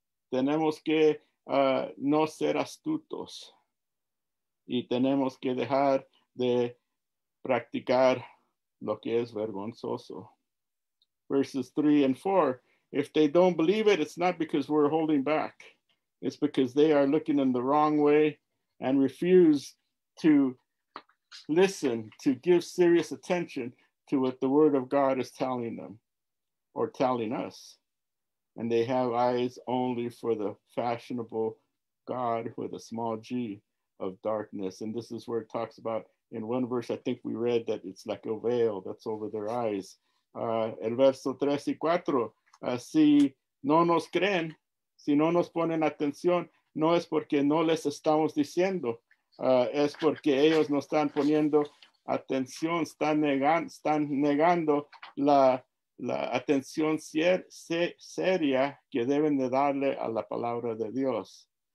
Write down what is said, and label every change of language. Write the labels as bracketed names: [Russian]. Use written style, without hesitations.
[Spanish] Tenemos que no ser astutos y tenemos que dejar de practicar lo que es vergonzoso. [English] Verses 3 and 4, if they don't believe it, it's not because we're holding back. It's because they are looking in the wrong way and refuse to listen, to give serious attention to what the word of God is telling them or telling us. And they have eyes only for the fashionable God with a small g of darkness. And this is where it talks about in one verse, I think we read that it's like a veil that's over their eyes. [Spanish] El verso 3 y 4, si no nos creen, si no nos ponen atención, no es porque no les estamos diciendo, es porque ellos no están poniendo atención, están negando la atención seria que deben de darle a la palabra de Dios.